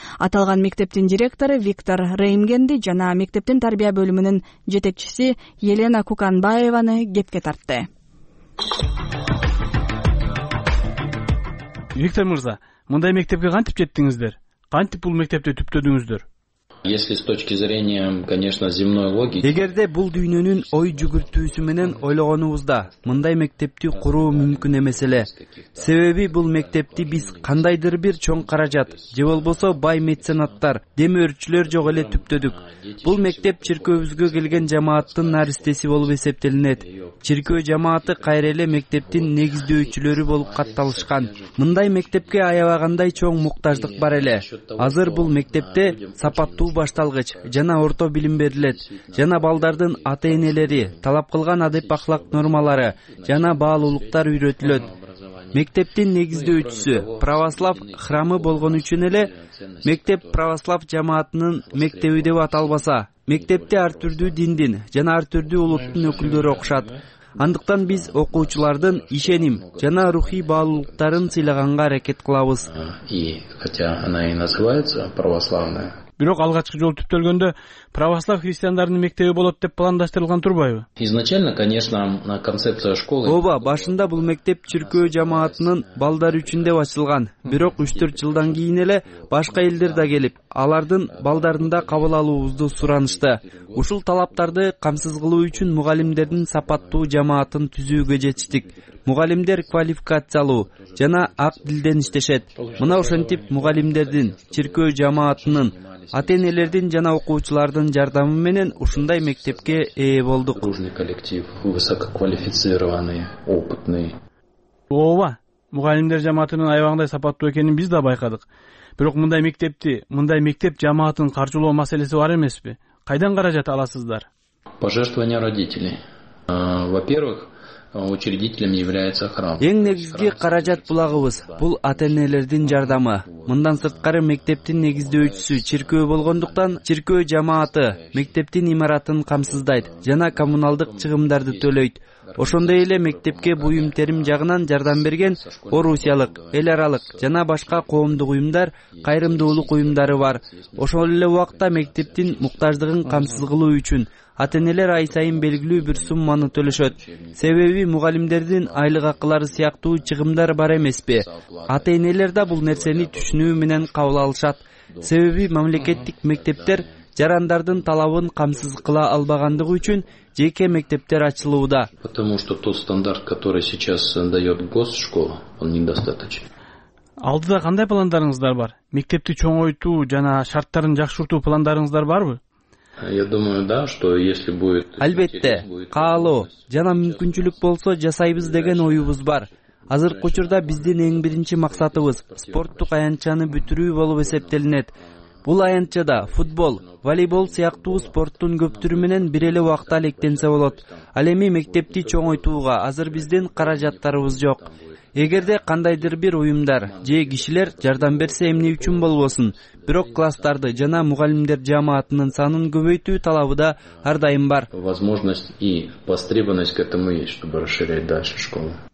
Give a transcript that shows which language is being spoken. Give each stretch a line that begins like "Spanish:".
Kyrgyz: Аталган мектептин директору Виктор Реймгенди жана мектептин тарбия бөлүмүнүн жетекчиси Елена Куканбаеваны кепке тартты. Виктор Мырза, мындай мектепке кантип жеттиңиздер? Кантип бул мектепти түптөдүңүздөр?
Russian: Если с точки зрения, конечно, земной логики.
Kyrgyz: Эгерде бул дүйнөнүн ой жүгүртүүсү менен ойлогонубузда, мындай мектепти куруу мүмкүн эмес эле. Себеби бул мектепти биз кандайдыр бир чоң каражат же болбосо бай меценаттар, демөөрчүлөр жок эле түптөдүк. Бул мектеп чиркөөбүзгө келген жамааттын наристеси болуп эсептелинет. Чиркөө жамааты кайра эле мектептин негиздөөчүлөрү болуп катталышкан. Мындай мектепке аябагандай чоң муктаждык бар эле. Азыр бул мектепте сапат туу башталгыч жана орто билим берилет жана балдардын ата-энелери талап кылган адеп ахлак нормалары жана баалуулуктар үйрөтүлөт. Мектептин негиздөөчүсү православ храмы болгон үчүн эле мектеп православ жамаатынын мектеби деп аталбаса, мектепте ар түрдүү диндин жана ар түрдүү улуттун өкүлдөрү окушат. Андыктан биз окуучулардын ишеним жана рухий баалуулуктарын сыйлаганга аракет кылабыз.
Russian: И хотя она и называется православная.
Kyrgyz: Бирок алгачкы жолу түптөлгөндө православ христиандарынын мектеби болот деп пландаштырылган турбайбы?
Russian: Изначально, конечно, концепция школы.
Kyrgyz: Ооба, башында бул мектеп чиркөө жамаатынын балдары үчүн деп ачылган. Бирок 3-4 жылдан кийин эле башка элдер да келип, алардын балдарын да кабыл алуубузду суранышты. Ушул талаптарды камсыз кылуу үчүн мугалимдердин сапаттуу жамаатын түзүүгө жетиштик. Мугалимдер квалификациялуу жана ак дилден иштешет. Мына ошентип мугалимдердин, чиркөө жамаатынын, ата-энелердин жана окуучулардын жардамы менен ушундай мектепке ээ болдук.
Russian: Дружный коллектив, высококвалифицированный, опытный.
Kyrgyz: Ооба, мугалимдер жамаатынын аябагандай сапаттуу экенин биз да байкадык. Бирок мындай мектепти, мындай мектеп жамаатын каржылоо маселеси бар эмеспи? Кайдан каражат аласыздар?
Russian: Пожертвования родителей. Во-первых, учредителем является храм.
Kyrgyz: Эң негизги каражат булагыбыз, бул ата-энелердин жардамы. Мындан сырткары мектептин негиздөөчүсү чиркөө болгондуктан чиркөө жамааты мектептин имаратын камсыздайт жана коммуналдык чыгымдарды төлөйт. Ошондой эле мектепке буюм терим жагынан жардам берген орусиялык, эл аралык жана башка коомдук уюмдар, кайрымдуулук уюмдары бар. Ошол эле убакта мектептин муктаждыгын камсыз кылуу үчүн ата-энелер ай сайын белгилүү бир сумманы төлөшөт. Себеби мугалимдердин айлык акылары сыяктуу чыгымдар бар эмеспи? Ата-энелер да бул нерсени түшүнүү менен кабыл алышат. Себеби мамлекеттик мектептер жарандардын талабын камсыз кыла албагандыгы үчүн жеке мектептер ачылууда.
Russian: Потому что тот стандарт, который сейчас дает госшкола, он недостаточен.
Kyrgyz: Алдыда кандай пландарыңыздар бар? Мектепти чоңойтуу жана шарттарын жакшыртуу пландарыңыздар барбы?
Russian: Я думаю, да, что если будет...
Kyrgyz: Албетте, каалоо, жана мүмкүнчүлүк болсо жасайбыз деген оюбуз бар. Азыркы учурда биздин эң биринчи максатыбыз спорттук аянтчаны бүтүрүү болуп эсептелинет. Бул аянтчада футбол, волейбол сыяктуу спорттун көптүрү менен бир эле убакта алектенсе болот. Ал эми мектепти чоңойтууга азыр биздин каражаттарыбыз жок. Эгерде кандайдыр бир уюмдар же кишилер жардам берсе эмне үчүн болбосун, бирок класстарды жана мугалимдер жамаатынын санын көбөйтүү талабы да ар дайым бар.
Russian: Возможность и востребованность к этому есть, чтобы расширять дальше школу.